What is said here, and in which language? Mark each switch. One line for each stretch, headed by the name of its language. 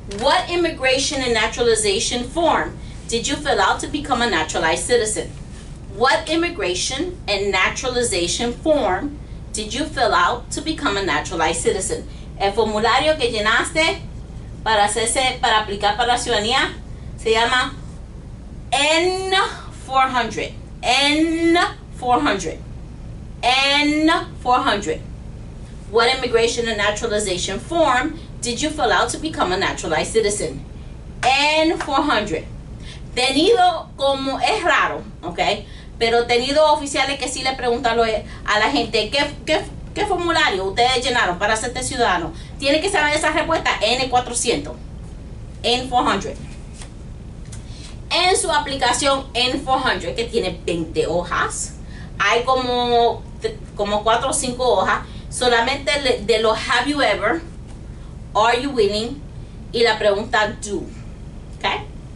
English: What immigration and naturalization form did you fill out to become a naturalized citizen? What immigration and naturalization form did you fill out to become a naturalized citizen?
Spanish: El formulario que llenaste para hacerse, para aplicar para la ciudadanía, se llama N-400.
English: What immigration and naturalization form did you fill out to become a naturalized citizen?
Spanish: N-400. Tenido como, es raro, ¿ok? Pero tenido oficiales que sí le preguntan a la gente, ¿Qué formulario ustedes llenaron para hacerte ciudadano? Tiene que saber esa respuesta. N-400. En su aplicación N-400, que tiene 20 hojas, hay como 4 o 5 hojas, solamente de los
English: have you ever, are you willing,
Spanish: y la pregunta do. ¿Okay?